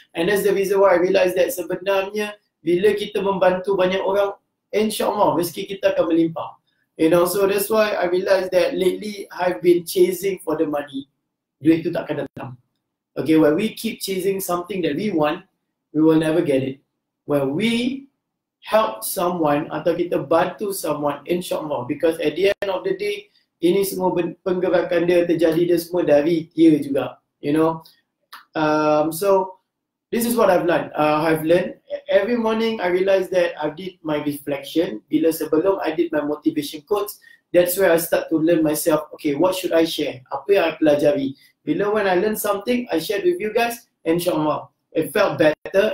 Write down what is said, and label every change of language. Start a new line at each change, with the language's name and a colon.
English: And that's the reason why I realized that
Malay: sebenarnya, bila kita membantu banyak orang, insyaAllah, rezeki kita akan melimpah.
English: You know, so that's why I realized that lately I've been chasing for the money.
Malay: Duit tu takkan datang.
English: Okay, when we keep chasing something that we want, we will never get it. When we help someone
Malay: atau kita bantu someone, insyaAllah,
English: because at the end of the day,
Malay: ini semua penggerakan dia, terjadi dia semua dari dia juga.
English: You know, so this is what I've learned. Every morning, I realized that I did my reflection.
Malay: Bila sebelum,
English: I did my motivation quotes. That's where I start to learn myself. Okay, what should I share?
Malay: Apa yang I pelajari?
English: Bila when I learn something, I shared with you guys. And insyaAllah, it felt better.